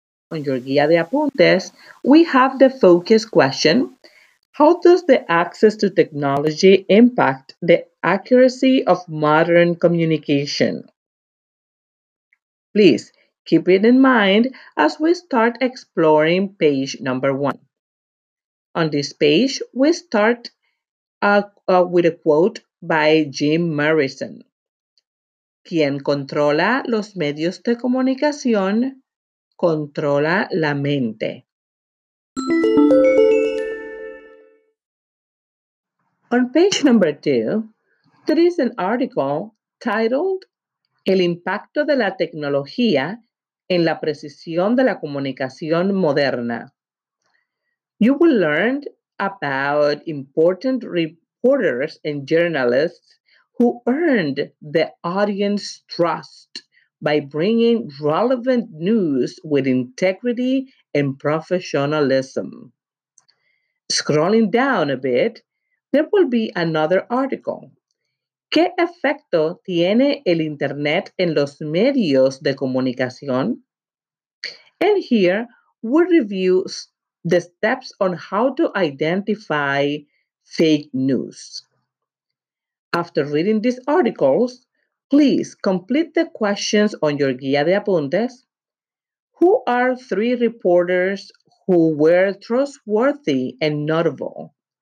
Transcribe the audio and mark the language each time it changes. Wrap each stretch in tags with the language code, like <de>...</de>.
<en>On your guía de apuntes, we have the focus question, how does the access to technology impact the accuracy of modern communication? Please keep it in mind as we start exploring page number one. On this page, we start with a quote by Jim Morrison.</en> <es>Quien controla los medios de comunicación, controla la mente.</es> <en>On page number two, there is an article titled El impacto de la tecnología en la precisión de la comunicación moderna. You will learn about important reporters and journalists who earned the audience trust by bringing relevant news with integrity and professionalism. Scrolling down a bit, there will be another article.</en> <es>¿Qué efecto tiene el internet en los medios de comunicación?</es> <en>And here, we review the steps on how to identify fake news. After reading these articles, please complete the questions on your guía de apuntes. Who are three reporters who were trustworthy and notable?</en>